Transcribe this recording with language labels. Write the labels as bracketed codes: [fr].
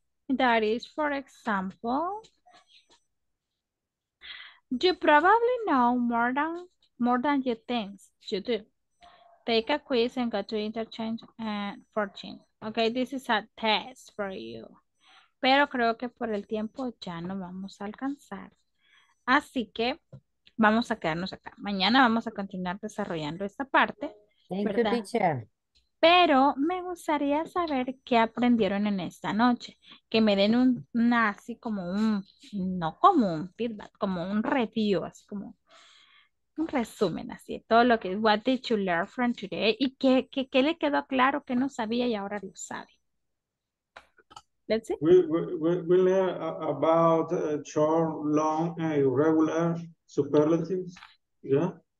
[en] That is, for example, you probably know more than you think you do. Take a quiz and go to interchange and 14. Okay, this is a test for you. [es] Pero creo que por el tiempo ya no vamos a alcanzar. Así que vamos a quedarnos acá. Mañana vamos a continuar desarrollando esta parte. [en] Thank you, teacher. [es] Pero me gustaría saber qué aprendieron en esta noche. Que me den un review, así como un resumen, así, todo lo que, [en] what did you learn from today? [es] Y qué le quedó claro, qué no sabía y ahora lo sabe. [en] Let's see. We learn about short, long, irregular, superlatives, yeah?